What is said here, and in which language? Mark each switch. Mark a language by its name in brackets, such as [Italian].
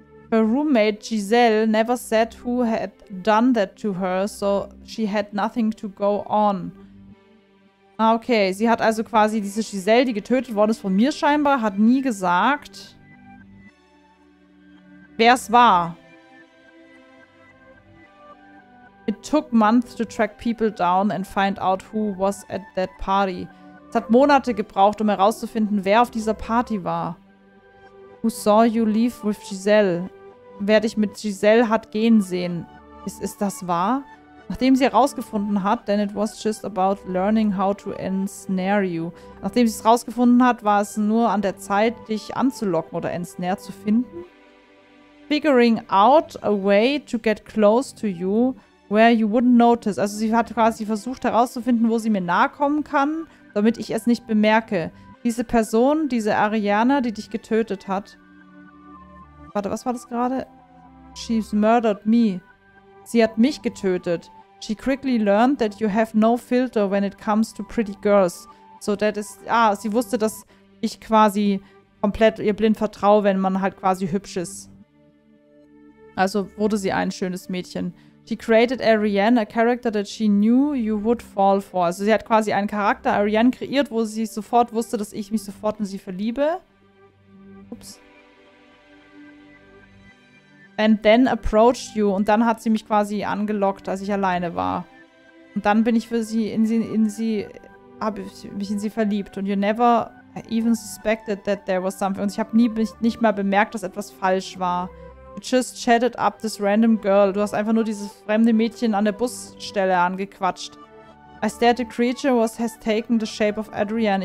[English] Her roommate Giselle never said who had done that to her, so she had nothing to go on. Ah, okay. [German] Sie hat also quasi diese Giselle, die getötet worden ist von mir scheinbar, hat nie gesagt, wer es war. [English] It took months to track people down and find out who was at that party. [German] Es hat Monate gebraucht, um herauszufinden, wer auf dieser Party war. [English] Who saw you leave with Giselle? [German] Wer dich mit Giselle hat gehen sehen. Ist das wahr? Nachdem sie herausgefunden hat, [English] then it was just about learning how to ensnare you. [German] Nachdem sie es herausgefunden hat, war es nur an der Zeit, dich anzulocken oder ensnare zu finden. [English] Figuring out a way to get close to you where you wouldn't notice. [German] Also sie hat quasi versucht herauszufinden, wo sie mir nahe kommen kann, damit ich es nicht bemerke. Diese Person, diese Ariana, die dich getötet hat. Warte, was war das gerade? [English] She's murdered me. [German] Sie hat mich getötet. [English] She quickly learned that you have no filter when it comes to pretty girls. So that is... [German] Ah, sie wusste, dass ich quasi komplett ihr blind vertraue, wenn man halt quasi hübsch ist. Also wurde sie ein schönes Mädchen. [English] She created Ariane, a character that she knew you would fall for. [German] Also sie hat quasi einen Charakter Ariane kreiert, wo sie sofort wusste, dass ich mich sofort in sie verliebe. Ups. [English] And then approached you. [German] Und dann hat sie mich quasi angelockt, als ich alleine war. Und dann bin ich für sie habe mich in sie verliebt. [English] And you never even suspected that there was something. [German] Und ich habe nicht mal bemerkt, dass etwas falsch war. [English] You just chatted up this random girl. [German] Du hast einfach nur dieses fremde Mädchen an der Busstelle angequatscht. [English] I stared the creature has taken the shape of Adrienne.